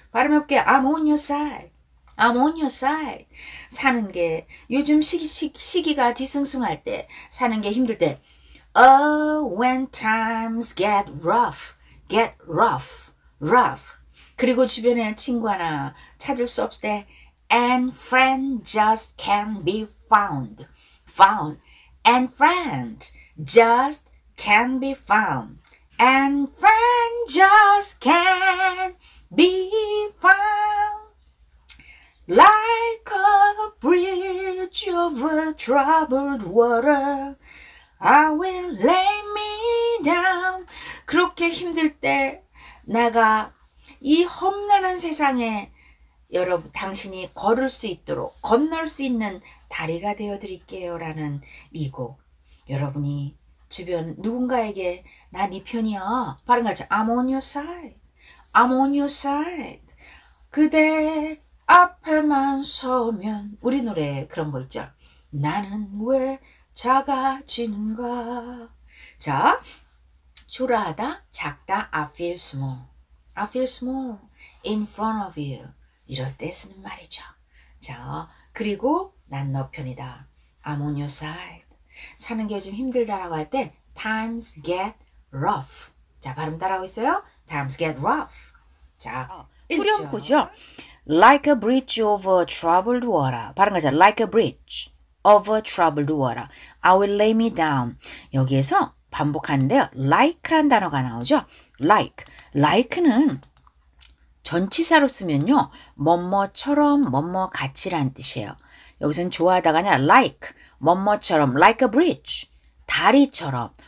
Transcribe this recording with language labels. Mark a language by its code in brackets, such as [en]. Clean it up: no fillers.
[ko] 발음 해볼게. [en] I'm on your side. I'm on your side. [ko] 사는 게 요즘 시기가 뒤숭숭할 때 사는 게 힘들 때 [en] Oh, when times get rough. Get rough. Rough. [ko] 그리고 주변에 친구 하나 찾을 수 없을 때 [en] And friend just can't be found. Found. And friend just can't be found. And friend just can't be found. Like a bridge over troubled water, I will lay me down. [ko] 그렇게 힘들 때 내가 이 험난한 세상에 여러분 당신이 걸을 수 있도록 건널 수 있는 다리가 되어드릴게요 라는 이 곡. 여러분이 주변 누군가에게 나 네 편이야. 발음 같이 [en] I'm on your side. I'm on your side. [ko] 그대 앞에만 서면 우리 노래 그런 거 있죠. 나는 왜 작아지는가. [en] 자, 초라하다, 작다, I feel small. I feel small in front of you. [ko] 이럴 때 쓰는 말이죠. 자, 그리고 난 너 편이다. [en] I'm on your side. [ko] 사는 게 요즘 힘들다라고 할 때 [en] times get rough. [ko] 자, 발음 따라하고 있어요. [en] times get rough. [ko] 자, 후렴구죠. [en] Like a bridge over troubled water. [ko] 발음하자. [en] Like a bridge over troubled water. I will lay me down. [ko] 여기에서 반복하는데요. [en] Like [ko] 란 단어가 나오죠. [en] Like. [ko] Like는 전치사로 쓰면요. 뭐뭐처럼, 뭐뭐같이란 뜻이에요. 여기서는 좋아하다가냐. [en] Like. [ko] 뭐뭐처럼. [en] Like a bridge. [ko] 다리처럼.